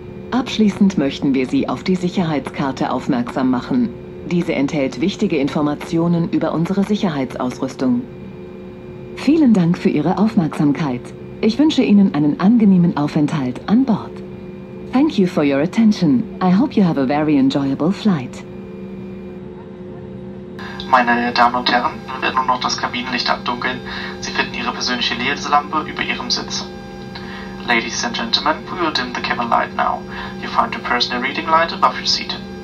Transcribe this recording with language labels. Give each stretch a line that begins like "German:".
German: Abschließend möchten wir Sie auf die Sicherheitskarte aufmerksam machen. Diese enthält wichtige Informationen über unsere Sicherheitsausrüstung. Vielen Dank für Ihre Aufmerksamkeit. Ich wünsche Ihnen einen angenehmen Aufenthalt an Bord.
English: Thank you for your attention. I hope you have a very enjoyable flight.
German: Meine Damen und Herren, nun wird nur noch das Kabinenlicht abdunkeln. Sie finden Ihre persönliche Leselampe über Ihrem Sitz.
English: Ladies and Gentlemen, we will dim the cabin light now. You find your personal reading light above your seat.